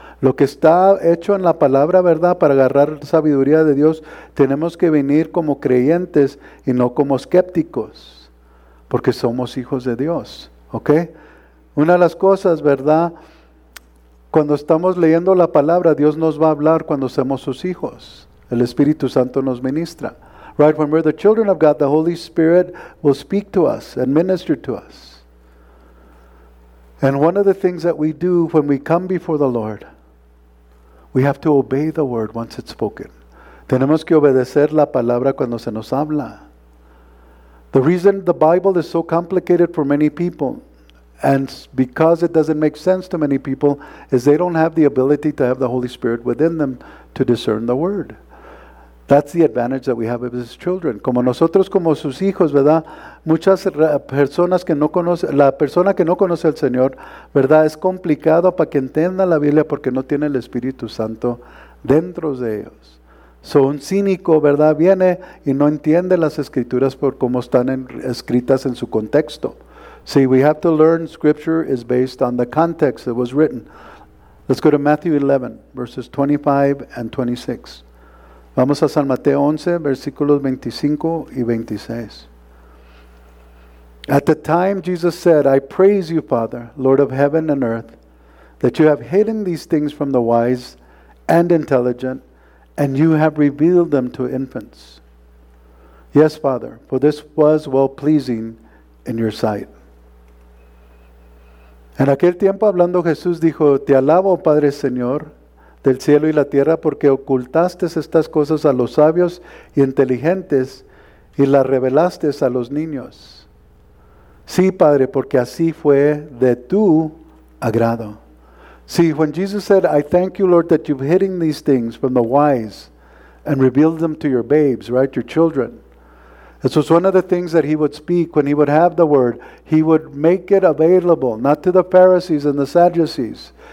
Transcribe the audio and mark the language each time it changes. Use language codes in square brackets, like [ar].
[es] Lo que está hecho en la palabra, ¿verdad? Para agarrar sabiduría de Dios, tenemos que venir como creyentes y no como escépticos, porque somos hijos de Dios, ¿okay? Una de las cosas, ¿verdad? Cuando estamos leyendo la palabra, Dios nos va a hablar cuando somos sus hijos. El Espíritu Santo nos ministra. [en] Right, when we're the children of God, the Holy Spirit will speak to us and minister to us. And one of the things that we do when we come before the Lord, we have to obey the word once it's spoken. Tenemos que obedecer la palabra cuando se nos habla. The reason the Bible is so complicated for many people, and because it doesn't make sense to many people, is they don't have the ability to have the Holy Spirit within them to discern the word. That's the advantage that we have as children. [es] Como nosotros, como sus hijos, ¿verdad? Muchas personas que no conocen, la persona que no conoce al Señor, ¿verdad? Es complicado para que entienda la Biblia porque no tiene el Espíritu Santo dentro de ellos. So, un cínico, ¿verdad? Viene y no entiende las Escrituras por cómo están escritas en su contexto. [en] See, we have to learn Scripture is based on the context that was written. Let's go to Matthew 11, verses 25 and 26. [es] Vamos a San Mateo 11, versículos 25 y 26. [en] At the time, Jesus said, I praise you, Father, Lord of heaven and earth, that you have hidden these things from the wise and intelligent, and you have revealed them to infants. Yes, Father, for this was well-pleasing in your sight. [es] En aquel tiempo, hablando Jesús, dijo, Te alabo, Padre Señor, del cielo y la tierra, porque ocultaste estas cosas a los sabios y inteligentes y las revelaste a los niños. Sí, Padre, porque así fue de tu agrado. [en] See, when Jesus said, I thank you, Lord, that you've hidden these things from the wise and revealed them to your babes, right, your children. This was one of the things that he would speak when he would have the word. He would make it available, not to the Pharisees and the Sadducees.